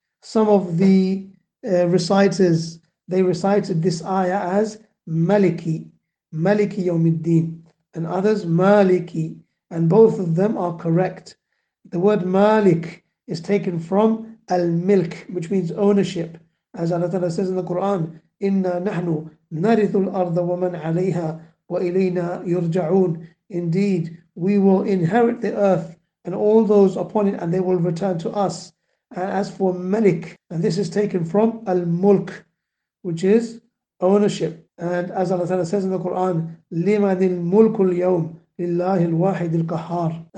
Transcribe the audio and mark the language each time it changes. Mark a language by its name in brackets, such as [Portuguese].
[English] Some of the reciters, they recited this ayah as Maliki, Maliki Yawm al-Din, and others Maliki. And both of them are correct. The word Malik is taken from Al-Milk, which means ownership. As Allah Ta'ala says in the Quran, [Arabic] إِنَّا نَحْنُ نَرِثُ الْأَرْضَ وَمَنْ عَلَيْهَا وَإِلَيْنَا يُرْجَعُونَ. [English] Indeed, we will inherit the earth and all those upon it, and they will return to us. And as for Malik, and this is taken from Al-Mulk, which is ownership. And as Allah Ta'ala says in the Quran, [Arabic] لِمَنِ الْمُلْكُ الْيَوْمِ لِلَّهِ الْوَاحِدِ الْقَهَّارِ.